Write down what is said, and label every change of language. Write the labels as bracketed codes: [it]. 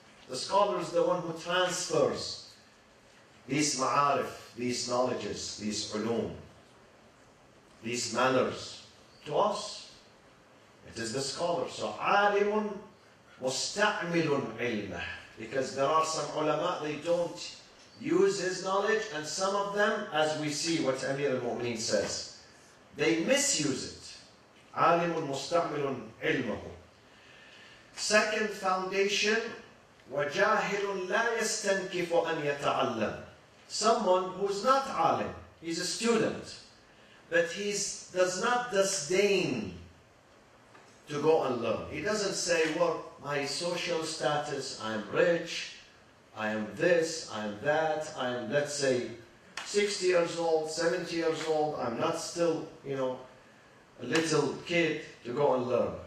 [en] The scholar is the one who transfers these ma'arif, these knowledges, these ulum, these manners to us. It is the scholar. [ar] So, alimun musta'milun ilmah. [en] Because there are some ulama, they don't use his knowledge, and some of them, as we see what Amir al-Mu'mineen says, they misuse it. [ar] Alimun musta'milun ilmahu. [en] Second foundation, [ar] وَجَاهِلٌ لَا يَسْتَنْكِفُ أَنْ يَتَعَلَّمْ. [en] Someone who's not alim, he's a student, but he does not disdain to go and learn. He doesn't say, well, my social status, I'm rich, I am this, I am that, I am, let's say, 60 years old, 70 years old, I'm not still, you know, a little kid to go and learn.